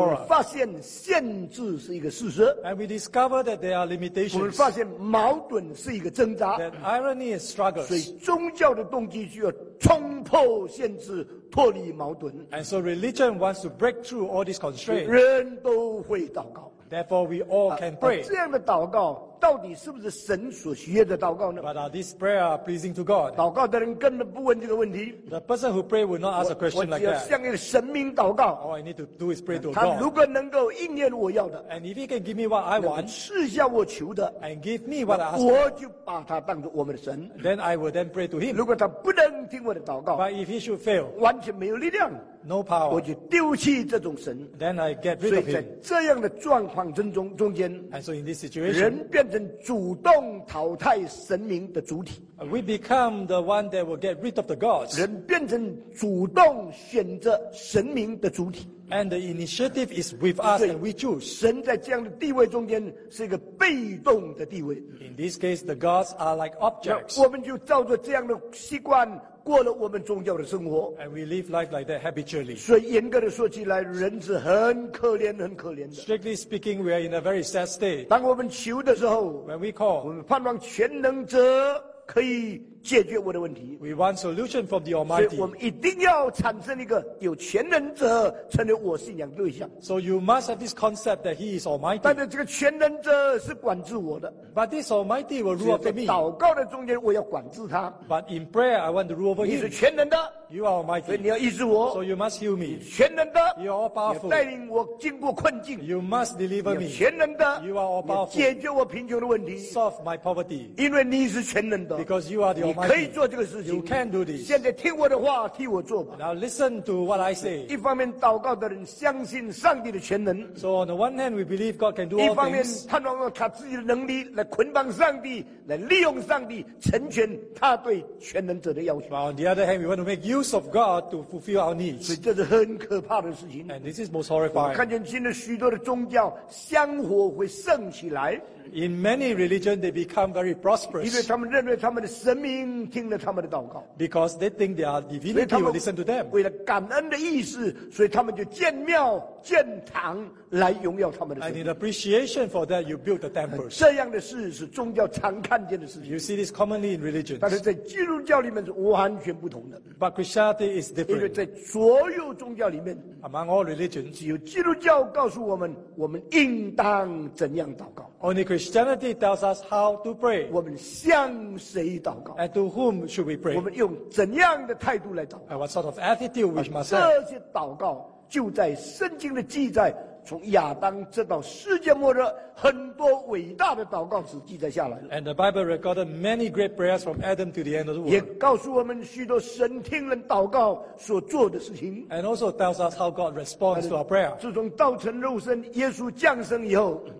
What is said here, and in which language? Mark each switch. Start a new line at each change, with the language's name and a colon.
Chinese: 我们发现限制是一个事实。
English: And we discover that there are limitations.
Chinese: 我们发现矛盾是一个挣扎。
English: That irony is struggles.
Chinese: 所以宗教的动机就要冲破限制，脱离矛盾。
English: And so religion wants to break through all these constraints.
Chinese: 人都会祷告。
English: Therefore, we all can pray.
Chinese: 这样的祷告到底是不是神所喜悦的祷告呢
English: ？But are these prayer pleasing to God?
Chinese: 祷告的人根本不问这个问题。
English: The person who pray will not ask a question like that.
Chinese: 我只要向一个神明祷告。
English: All I need to do is pray to God.
Chinese: 他如果能够应验我要的
English: ，And if he can give me what I want,
Chinese: 赐下我求的
English: ，And give me what I ask,
Chinese: 我就把他当作我们的神。
English: Then I will then pray to him.
Chinese: 如果他不能听我的祷告
English: ，But if he should fail,
Chinese: 完全没有力量。
English: No power.
Chinese: 我就丢弃这种神。
English: Then I get rid of him.
Chinese: 所以在这样的状况中间
English: ，And so in this situation,
Chinese: 人变成主动淘汰神明的主体。
English: We become the one that will get rid of the gods.
Chinese: 人变成主动选择神明的主体。
English: And the initiative is with us and we choose.
Chinese: 神在这样的地位中间是一个被动的地位。
English: In this case, the gods are like objects.
Chinese: 我们就照着这样的习惯。过了我们宗教的生活
English: and we live life like that habitually.
Chinese: 所以严格的说起来人是很可怜很可怜的
English: strictly speaking we are in a very sad state
Chinese: 当我们求的时候
English: when we call
Chinese: 我们盼望全能者可以解决我的问题。
English: We want solution from the Almighty.
Chinese: 所以我们一定要产生一个有全能者成为我信仰对象。
English: So you must have this concept that He is Almighty.
Chinese: 但是这个全能者是管制我的。
English: But this Almighty will rule over me.
Chinese: 祷告的中间，我要管制他。
English: But in prayer, I want to rule over Him.
Chinese: 你是全能的。
English: You are Almighty.
Chinese: 所以你要医治我。
English: So you must heal me.
Chinese: 你是全能的。
English: You are all powerful.
Chinese: 你带领我经过困境。
English: You must deliver me.
Chinese: 你全能的。
English: You are all powerful.
Chinese: 解决我贫穷的问题。
English: Solve my poverty.
Chinese: 因为你是全能的。
English: Because you are the Almighty.
Chinese: 你可以做这个事情。
English: You can do this.
Chinese: 现在听我的话，替我做吧。
English: Now listen to what I say.
Chinese: 一方面，祷告的人相信上帝的全能。
English: So on the one hand, we believe God can do all things.
Chinese: 一方面，盼望他自己的能力来捆绑上帝，来利用上帝，成全他对全能者的要求。
English: But on the other hand, we want to make use of God to fulfill our needs.
Chinese: 所以这是很可怕的事情。
English: And this is most horrifying.
Chinese: 我看见今天许多的宗教香火会盛起来。
English: In many religions, they become very prosperous. Because they think their divinity will listen to them.
Chinese: 为了感恩的意思，所以他们就建庙建堂来荣耀他们的神。
English: And in appreciation for that, you build the temples.
Chinese: 这样的事是宗教常看见的事情。
English: You see this commonly in religions.
Chinese: 但是在基督教里面是完全不同的。
English: But Christianity is different.
Chinese: 因为在所有宗教里面
English: ，Among all religions,
Chinese: 只有基督教告诉我们，我们应当怎样祷告。
English: Only Christianity tells us how to pray.
Chinese: 我们向谁祷告
English: ？And to whom should we pray?
Chinese: 我们用怎样的态度来祷告
English: ？And what sort of attitude we must have?
Chinese: 这些祷告就在圣经的记载。从亚当直到世界末日，很多伟大的祷告是记载下来了。
English: And the Bible recorded many great prayers from Adam to the end of the world.
Chinese: 也告诉我们许多神听人祷告所做的事情。
English: And also tells us how God responds to our prayer.
Chinese: 自从道成肉身，耶稣降生以后